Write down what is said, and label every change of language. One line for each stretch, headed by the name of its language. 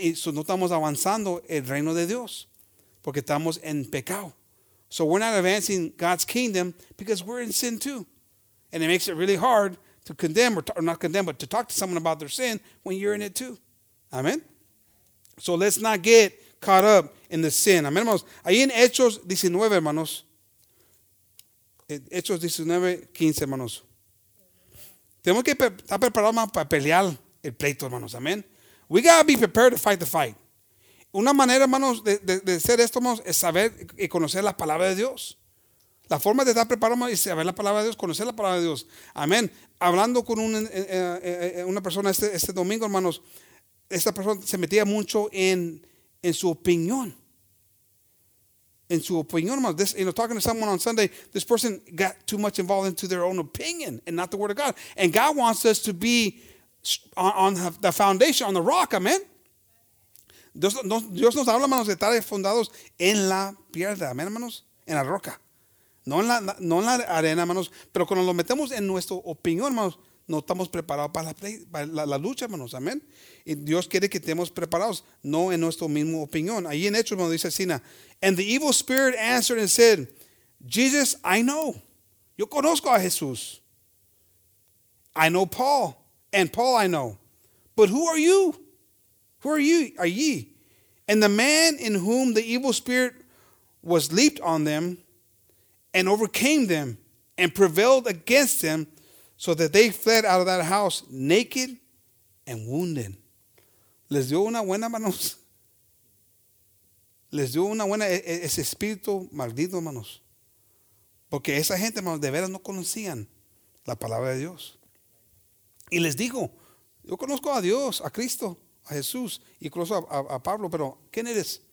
Spanish: Y so, no estamos avanzando el reino de Dios porque estamos en pecado.
English: So we're not advancing God's kingdom because we're in sin too. And it makes it really hard to condemn or not condemn, but to talk to someone about their sin when you're in it too. Amén. So let's not get caught up in the sin.
Spanish: Amén, hermanos. Ahí en Hechos 19, hermanos. Hechos 19, 15, hermanos. Tenemos que estar preparados para pelear el pleito, hermanos. Amén.
English: We got to be prepared to fight the fight.
Spanish: Una manera, hermanos, de hacer esto, hermanos, es saber y conocer la palabra de Dios. La forma de estar preparado, hermanos, es saber la palabra de Dios, conocer la palabra de Dios. Amén. Hablando con una persona este domingo, hermanos, esta persona se metía mucho en su opinión. En su opinión, hermanos.
English: This, you know, talking to someone on Sunday, this person got too much involved into their own opinion and not the word of God. And God wants us to be on the foundation, on the rock.
Spanish: Amén. Dios nos habla, hermanos, de estar fundados en la piedra, amén, hermanos, en la roca. No en la arena, hermanos, pero cuando lo metemos en nuestra opinión, hermanos, no estamos preparados para la lucha, hermanos, amén. Y Dios quiere que estemos preparados, no en nuestra misma opinión. Ahí en Hechos, hermanos, dice Sina,
English: and the evil spirit answered and said, Jesus, I know.
Spanish: Yo conozco a Jesús.
English: I know Paul, and Paul I know. But who are you? Who are you? Are ye? And the man in whom the evil spirit was leaped on them and overcame them and prevailed against them so that they fled out of that house naked and wounded.
Spanish: Les dio una buena, manos. Les dio una buena, ese espíritu maldito, manos. Porque esa gente, manos, de veras no conocían la palabra de Dios. Y les dijo, yo conozco a Dios, a Cristo, a Jesús, incluso a Pablo, pero ¿quién eres?